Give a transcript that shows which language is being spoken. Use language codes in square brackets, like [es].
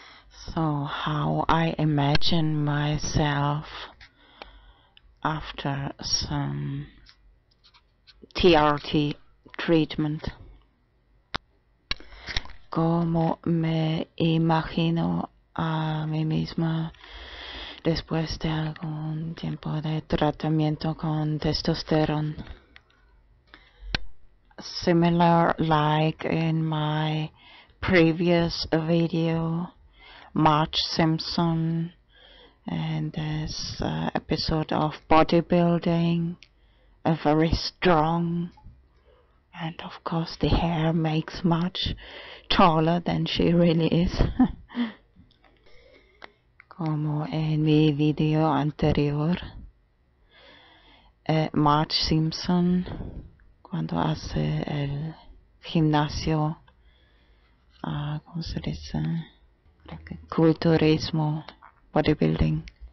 [en] So, how I imagine myself after some TRT treatment. [es] Como me imagino a mí misma después de algún tiempo de tratamiento con testosterone. [en] Similar like in my previous video, Marge Simpson, and this episode of bodybuilding, very strong, and of course the hair makes Marge taller than she really is. [es] Como en mi video anterior, Marge Simpson, cuando hace el gimnasio, ¿cómo se dice? Culturismo, bodybuilding.